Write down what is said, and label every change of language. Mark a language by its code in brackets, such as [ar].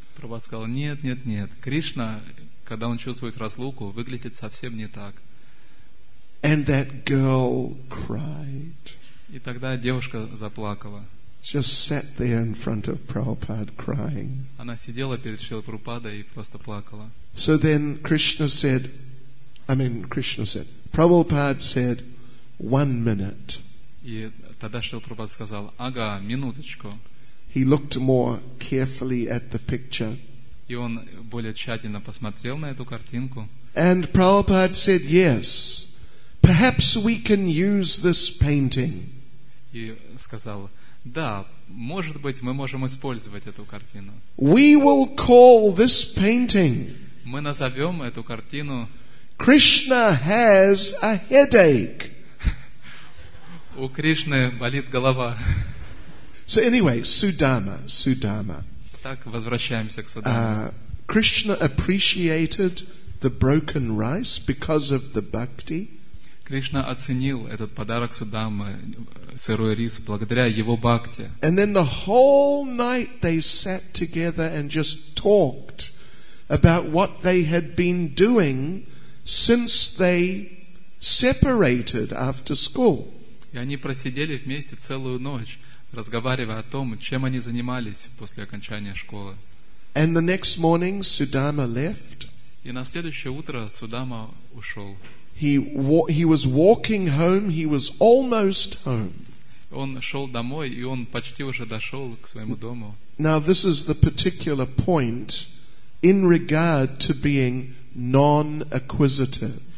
[ru] Прабхупада сказал, нет, нет, нет. Кришна, когда он чувствует разлуку, выглядит совсем не так. [en] And that girl cried. [ru] И тогда девушка заплакала. [en] Just sat there in front of Prabhupada crying. [ru] Она сидела перед Шрилой Прабхупадой и просто плакала. [en] So then Prabhupada said, "One minute." [ru] И тогда Шрила Прабхупада сказал, ага, минуточку. [en] He looked more carefully at the picture. [ru] И он более тщательно посмотрел на эту картинку. [en] And Prabhupada said, "Yes, perhaps we can use this painting." [ru] И сказал, да, может быть, мы можем использовать эту картину. [en] We will call this painting. [ru] Мы назовем эту картину. [en] Krishna has a headache. [ru] У Кришны болит голова. [en] So anyway, Sudama. [ru] Так, возвращаемся к Судаме. [en] Krishna appreciated the broken rice because of the bhakti. [ru] Кришна оценил этот подарок Судамы, сырой рис, благодаря его бхакти. [en] And then the whole night they sat together and just talked about what they had been doing since they separated after school. [ru] И они просидели вместе целую ночь, разговаривая о том, чем они занимались после окончания школы. [en] And the next morning Sudama left. [ru] И на следующее утро Судама ушел. [en] He was walking home, he was almost home. [ru] Он шел домой, и он почти уже дошел к своему дому. [en] Now this is the particular point in regard to being non-acquisitive.